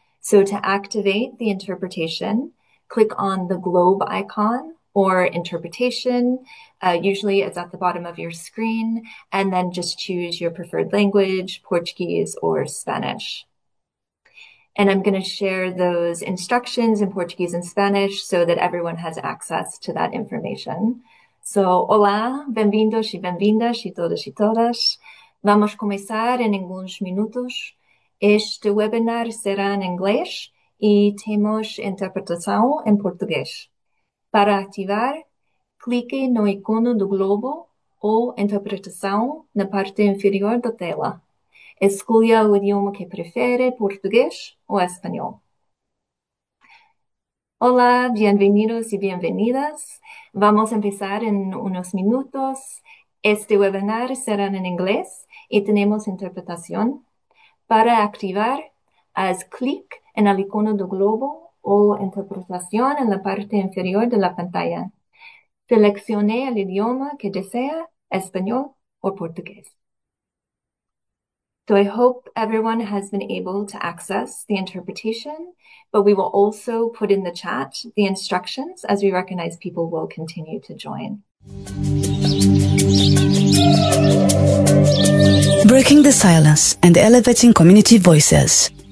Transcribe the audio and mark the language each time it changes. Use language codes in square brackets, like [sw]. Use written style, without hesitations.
[en] So to activate the interpretation, click on the globe icon or interpretation. Usually it's at the bottom of your screen, and then just choose your preferred language, Portuguese or Spanish. And I'm going to share those instructions in Portuguese and Spanish so that everyone has access to that information. [pt] So, olá, bem-vindos e bem-vindas e todas e todas. Vamos começar em alguns minutos. Este webinar será em inglês e temos interpretação em português. Para ativar, clique no ícone do globo ou interpretação na parte inferior da tela. Escolha o idioma que prefere, português ou espanhol. [es] Olá, bienvenidos y bienvenidas. Vamos a empezar en unos minutos. Este webinar será en inglés y tenemos interpretación. Para activar, haz clic en el icono del globo o interpretación en la parte inferior de la pantalla. Seleccione el idioma que desea, español o portugués. [en] So I hope everyone has been able to access the interpretation, but we will also put in the chat the instructions as we recognize people will continue to join. Breaking the silence and elevating community voices.